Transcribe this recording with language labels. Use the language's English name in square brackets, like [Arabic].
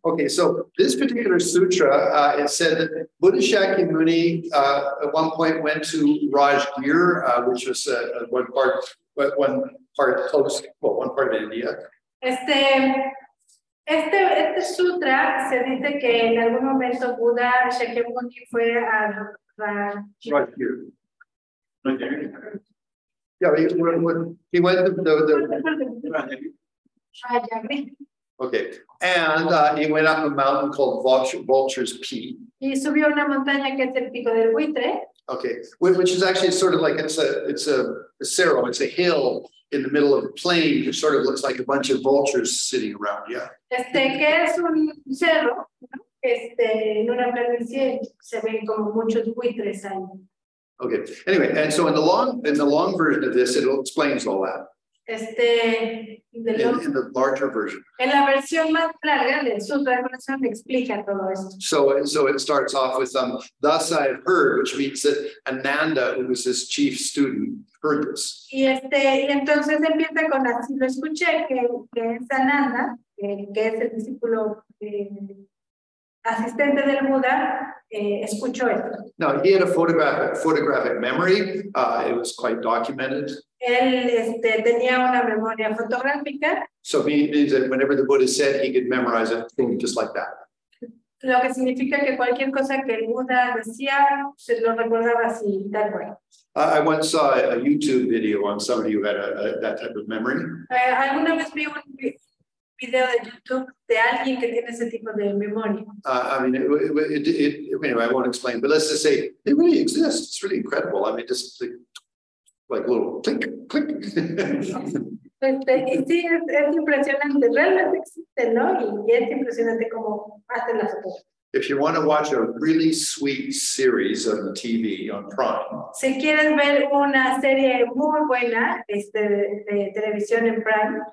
[English] Okay, so this particular sutra, it said that Buddha Shakyamuni at one point went to Rajgir, which was one part of India. [Spanish] Este sutra se dice que en algún momento Buda Shakyamuni fue a [English] Rajgir. Okay. Yeah, he went to the Rajgir. Okay, and he went up a mountain called Vulture's Peak. [Spanish] Y subió una montaña que es el Pico del Buitre. [English] Okay, which is actually sort of like it's a cerro, it's a hill in the middle of a plain. It sort of looks like a bunch of vultures sitting around. Yeah. [Spanish] Que es un cerro, en una planicie se ven como muchos buitres ahí. [English] Okay. Anyway, and so in the long version of this, it explains all that. In the larger version. [Spanish] En la versión más larga de su traducción explica todo esto. [English] So it starts off with some, thus I have heard, which means that Ananda, who was his chief student, heard this. [Spanish] Y entonces empieza con así lo escuché, que es Ananda, que es el discípulo asistente del Buda, escuchó esto. [English] Now, he had a photographic memory. It was quite documented. [Spanish] Tenía una memoria fotográfica. [English] So he means that whenever the Buddha said, he could memorize a thing just like that. [Spanish] Lo que significa que cualquier cosa que el Buda decía, se lo recordaba así, tal cual. [English] I once saw a YouTube video on somebody who had that type of memory. [Spanish] Alguna vez vi un video de YouTube de alguien que tiene ese tipo de memoria. [English] Anyway, I won't explain, but let's just say, it really exists. It's really incredible. I mean, just like little click, click. [Spanish] Sí, es impresionante. Realmente existe, ¿no? Y es impresionante cómo hacen las cosas. [English] If you want to watch a really sweet series on the TV on Prime. [Spanish] Si quieres ver una serie muy buena de televisión en Prime.